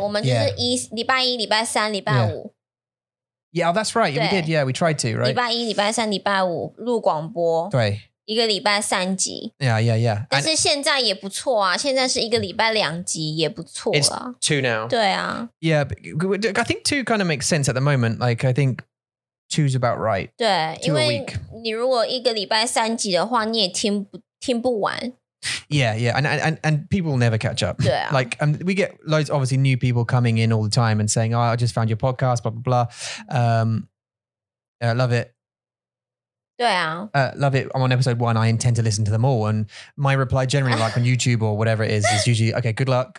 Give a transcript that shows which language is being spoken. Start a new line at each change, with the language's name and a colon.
Chinese: 我们就是礼拜一、礼拜三、礼拜五。
English: Yeah, that's right. We did, yeah. We tried to, right?
Chinese: 礼拜一、礼拜三、礼拜五录广播。对。一个礼拜三集,
English: yeah, yeah, yeah.
Chinese: 但是现在也不错啊, 现在是一个礼拜两集也不错啊。
English: It's two now.
Chinese: 对啊。
English: Yeah, but I think two kind of makes sense at the moment. Like, I think two's about right.
Chinese: 对,
English: two
Chinese: 因为你如果一个礼拜三集的话, 你也听不完。
English: Yeah, yeah, and people never catch up.
Chinese: 对啊。
English: Like, we get loads, obviously, new people coming in all the time and saying, oh, I just found your podcast, blah, blah, blah. Yeah, I love it.
Chinese: 对啊,
English: love it. I'm on episode one. I intend to listen to them all. And my reply generally, like on YouTube or whatever it is usually, okay, good luck.